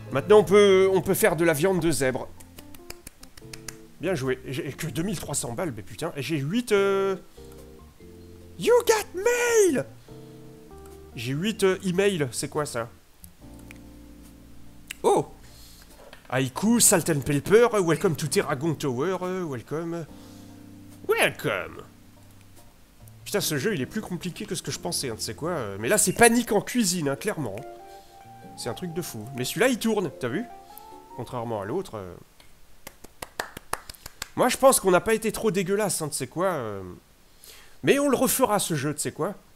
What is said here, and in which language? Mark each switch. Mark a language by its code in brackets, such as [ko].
[fr] Maintenant, on peut faire de la viande de zèbre. Bien joué. J'ai que 2300 balles, mais putain. Et j'ai 8... [en] You got mail! [fr] J'ai 8 emails. C'est quoi, ça? Oh! [en] Haiku, Salt and Pepper, Welcome to Terragon Tower, Welcome. Welcome! [fr] Putain, ce jeu, il est plus compliqué que ce que je pensais, hein, tu sais quoi. Mais là, c'est panique en cuisine, hein, clairement. C'est un truc de fou. Mais celui-là, il tourne, t'as vu? Contrairement à l'autre. Moi, je pense qu'on n'a pas été trop dégueulasse, hein, tu sais quoi. Mais on le refera, ce jeu, tu sais quoi.